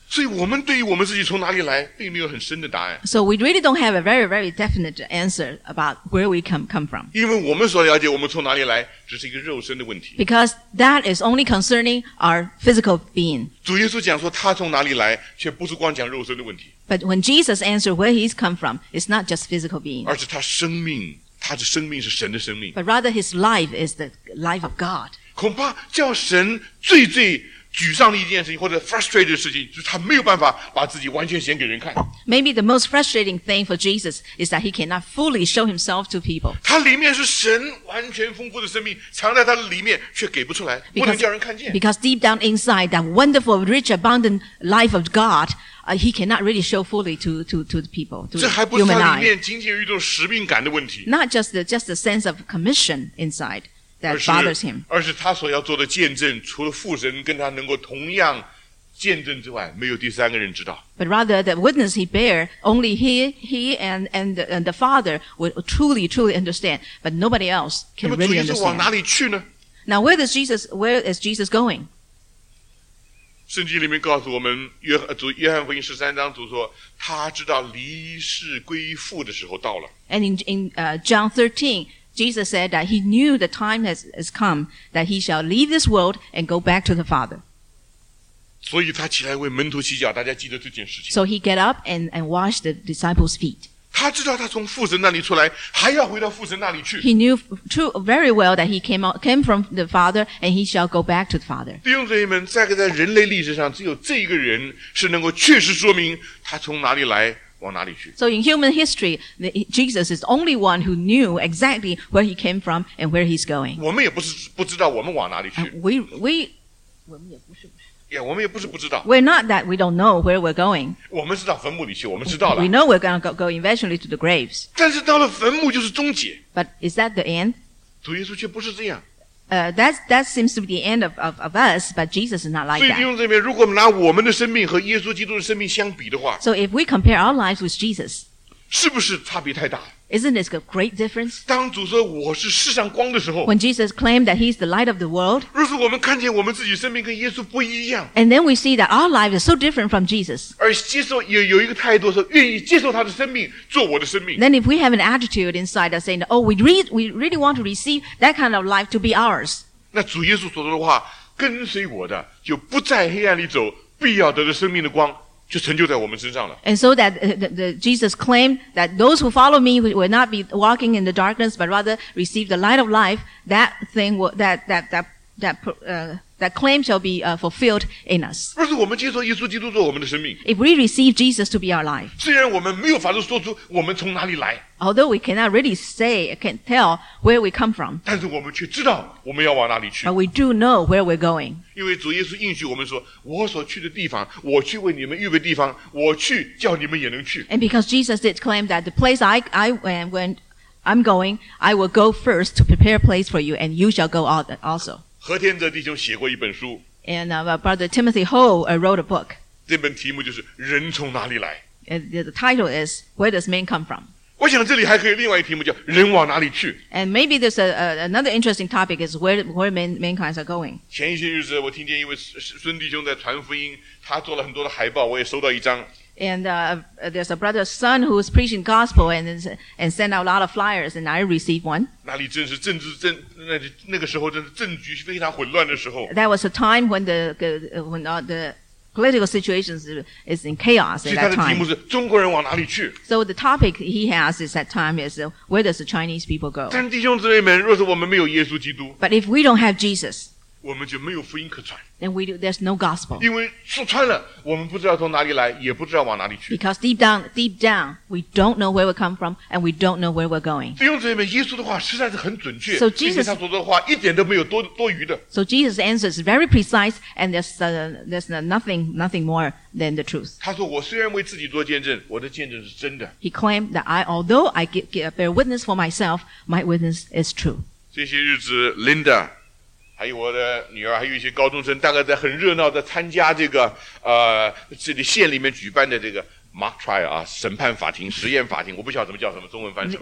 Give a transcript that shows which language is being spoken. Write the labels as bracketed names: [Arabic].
[Chinese] 所以我们对于我们自己从哪里来并没有很深的答案。 [English] So we really don't have a very, very definite answer about where we come from. [Chinese] 因为我们所了解我们从哪里来只是一个肉身的问题。 [English] Because that is only concerning our physical being. [Chinese] 主耶稣讲说他从哪里来却不是光讲肉身的问题。 [English] But when Jesus answered where he's come from, it's not just physical being. [Chinese] 而是他生命，他的生命是神的生命。 [English] But rather his life is the life of God. [Chinese] 恐怕叫神最最沮丧的一件事情或者 frustrated 的事情就是他没有办法把自己完全显给人看。 [English] Maybe the most frustrating thing for Jesus is that he cannot fully show himself to people. [Chinese] 他里面是神完全丰富的生命藏在他的里面却给不出来 [English] because, [Chinese] 不能叫人看见。 [English] Because deep down inside that wonderful, rich, abundant life of God,he cannot really show fully to the people, to the human eye. [Chinese] 这还不是他里面仅仅有一种使命感的问题。 [English] Not just the sense of commission inside. That bothers him. [Chinese] 而是他所要做的见证，除了父神跟他能够同样见证之外，没有第三个人知道。 [English] But rather, the witness he bear, only he and the Father would truly, truly understand. But nobody else can really understand. [Chinese] 那么主耶稣往哪里去呢？ [English] Now, where is Jesus going? [Chinese] 圣经里面告诉我们，约翰福音十三章主说，他知道离世归父的时候到了。 [English] And John 13. Jesus said that he knew the time has come that he shall leave this world and go back to the Father. [Chinese] 所以他起来为门徒洗脚，大家记得这件事情。 [English] So he get up and washed the disciples' feet. [Chinese] 他知道他从父神那里出来，还要回到父神那里去。 [English] He knew too very well that he came from the Father and he shall go back to the Father. [Chinese] 弟兄姊妹们，在人类历史上，只有这一个人是能够确实说明他从哪里来。往哪里去? [English] So in human history, Jesus is the only one who knew exactly where he came from and where he's going. [Chinese] 我们也不知道我们往哪里去。我们也不是不知道。 [English] We're not that we don't know where we're going. [Chinese] 我们知道坟墓里去，我们知道了。 [English] We know we're going to go eventually to the graves. [Chinese] 但是到了坟墓就是终结。 [English] But is that the end? [Chinese] 主耶稣却不是这样。 [English] That seems to be the end of us, but Jesus is not like that. [Chinese] 所以弟兄姊妹，如果我们拿我们的生命和耶稣基督的生命相比的话 [English] ，So if we compare our lives with Jesus, [Chinese] 是不是差别太大 [English] ？Isn't it a great difference? [Chinese] 当主说我是世上光的时候 [English] ，When Jesus claimed that He's the light of the world, [Chinese] 若是我们看见我们自己生命跟耶稣不一样 [English] ，And then we see that our life is so different from Jesus. [Chinese] 而接受有一个态度说愿意接受他的生命做我的生命 [English] ，Then if we have an attitude inside us saying, "Oh, we really want to receive that kind of life to be ours." [Chinese] 那主耶稣所说的话，跟随我的就不在黑暗里走，必要得着生命的光。就成就在我们身上了。 [English] And so that the Jesus claimed that those who follow me will not be walking in the darkness, but rather receive the light of life. That claim shall be fulfilled in us. [Chinese] 若是我们接受耶稣基督做我们的生命 [English] ，If we receive Jesus to be our life, [Chinese] 虽然我们没有法子说出我们从哪里来 [English] ，Although we cannot really say, can't tell where we come from, [Chinese] 但是我们却知道我们要往哪里去。 [English] But we do know where we're going. [Chinese] 因为主耶稣应许我们说，我所去的地方，我去为你们预备地方，我去叫你们也能去。 [English] And because Jesus did claim that the place I'm going, I will go first to prepare a place for you, and you shall go also. [Chinese] 何天泽弟兄写过一本书 [English] ，and Brother Timothy Ho wrote a book. [Chinese] 这本题目就是《人从哪里来》 [English] ，and the title is "Where Does Man Come From?" [Chinese] 我想这里还可以另外一题目叫《人往哪里去》 [English] ，and maybe there's another interesting topic is where mankind are going. [Chinese] 前一些日子，我听见一位孙弟兄在传福音，他做了很多的海报，我也收到一张。 [English] And there's a brother's son who is preaching gospel and sent out a lot of flyers, and I received one. [Chinese] 那里正是政治政那那个时候，正是政局非常混乱的时候。 [English] That was a time when the political situation is in chaos at that time. [Chinese] 他的题目是中国人往哪里去 [English] ？So the topic he has at that time is where does the Chinese people go? [Chinese] 但弟兄姊妹们，若是我们没有耶稣基督 [English] ，But if we don't have Jesus, [Chinese] 我们就没有福音可传。 [English] Then we do, there's no gospel. [Chinese] 因为说穿了，我们不知道从哪里来，也不知道往哪里去。 [English] Because deep down, we don't know where we come from, and we don't know where we're going. [Chinese] 弟兄姊妹们，耶稣的话实在是很准确。 [English] So Jesus, [Chinese] 因为他说的话一点都没有多余的。 [English] So Jesus' answer is very precise, and there's nothing more than the truth. [Chinese] 他说，我虽然为自己做见证，我的见证是真的。 [English] He claimed that although I bear witness for myself, my witness is true. [Chinese] 这些日子 ，Linda。还有我的女儿，还有一些高中生，大概在很热闹的参加这个这里县里面举办的这个 mock trial 啊，审判法庭、实验法庭，我不晓得怎么叫什么中文翻译。